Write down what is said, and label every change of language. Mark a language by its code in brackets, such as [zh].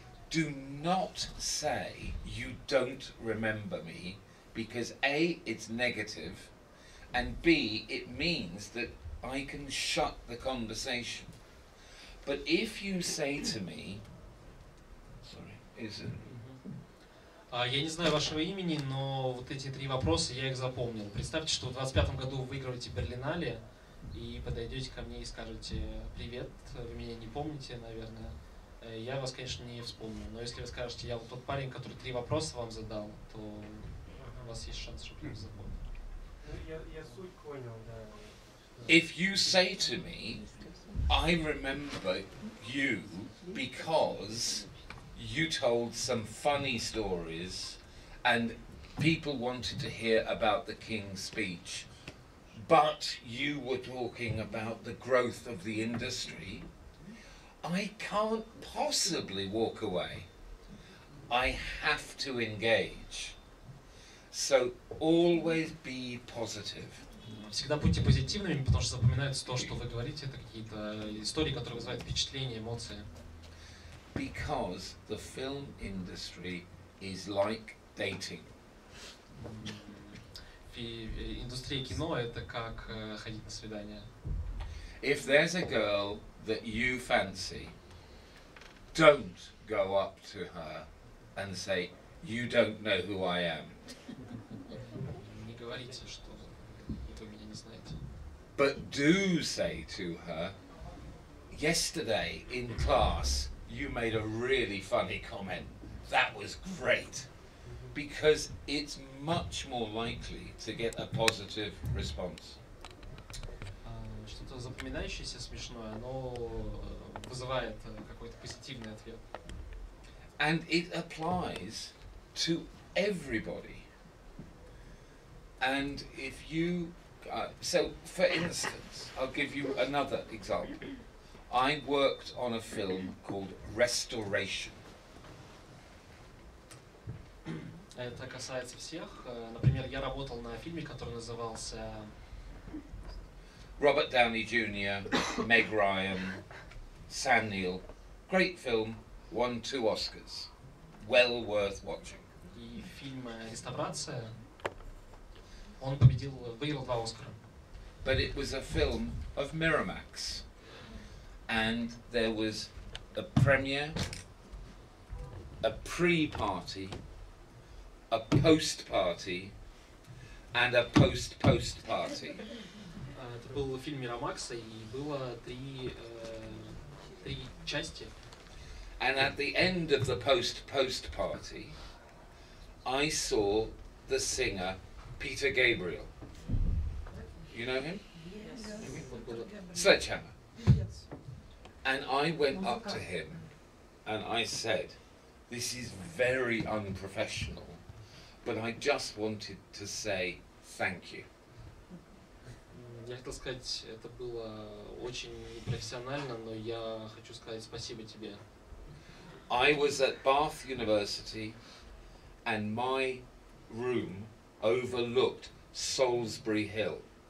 [en] Do not say you don't remember me because A, it's negative, and B, it means that I can shut the conversation. But if you say to me, sorry, is it? [ru] Я не знаю вашего имени, но вот эти три вопроса, я их запомнил. Представьте, что в 25-м году вы выигрываете Берлинале и подойдете ко мне и скажете «Привет, вы меня не помните, наверное». Я вас, конечно, не вспомню, но если вы скажете «Я вот тот парень, который три вопроса вам задал», то у вас есть шанс, чтобы я запомнил. Я суть понял, да. [en] If you say to me, I remember you because you told some funny stories and people wanted to hear about the King's speech, but you were talking about the growth of the industry, I can't possibly walk away. I have to engage. So always be positive. [ru] Всегда будьте позитивными, потому что запоминается то, что вы говорите, это какие-то истории, которые вызывают впечатление, эмоции. [en] Because the film industry is like dating. [ru] Индустрия кино — это как ходить на свидание. [en] If there's a girl that you fancy, don't go up to her and say, You don't know who I am. [ru] Не говорите, что вы меня не знаете. [en] But do say to her, yesterday in class you made a really funny comment. That was great. Because it's much more likely to get a positive response. [ru] Что-то запоминающееся, смешное, оно вызывает какой-то позитивный ответ. [en] And it applies to everybody. And if you... so, for instance, I'll give you another example. I worked on a film called Restoration. [ru] Это касается всех. Например, я работал на фильме, который назывался... [en] Robert Downey Jr., Meg Ryan, Sam Neill. Great film, won 2 Oscars. Well worth watching. [ru] И фильм «Реставрация», он победил, выиграл 2 Оскара. [en] But it was a film of Miramax. And there was a premiere, a pre-party, a post-party, and a post-post-party. [ru] Это был фильм Мирамакса, и было три части. [en] And at the end of the post-post-party, I saw the singer Peter Gabriel. You know him? Yes. Sledgehammer. And I went up to him, and I said, this is very unprofessional. But I just wanted to say thank you. [ru] Я хотел сказать, это было очень непрофессионально, но я хочу сказать спасибо тебе. [en] I was at Bath University, and my room overlooked Salisbury Hill.